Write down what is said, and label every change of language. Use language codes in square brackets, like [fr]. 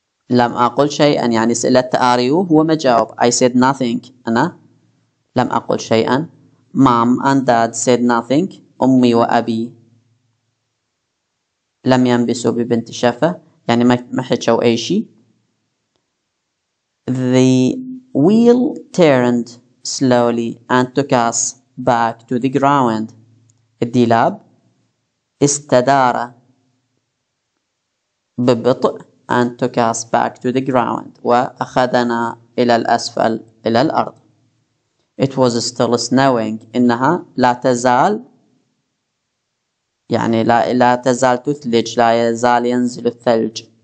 [ar] لم أقول شيئا, يعني سألت [en] Are you, [ar] هو ما جاوب. [en] I said nothing. [ar] أنا لم أقول شيئا. [en] Mom and Dad said nothing. [ar] أمي وأبي لم ينبسوا ببنت شفة, يعني ما حكوا أي شيء. [en] The wheel turned slowly and took us back to the ground. [ar] الديلاب استدار ببطء [en] and took us back to the ground, [ar] وأخذنا إلى الأسفل إلى الأرض. [en] It was still snowing. [ar] إنها لا تزال يعني لا تزال تثلج, لا يزال ينزل الثلج.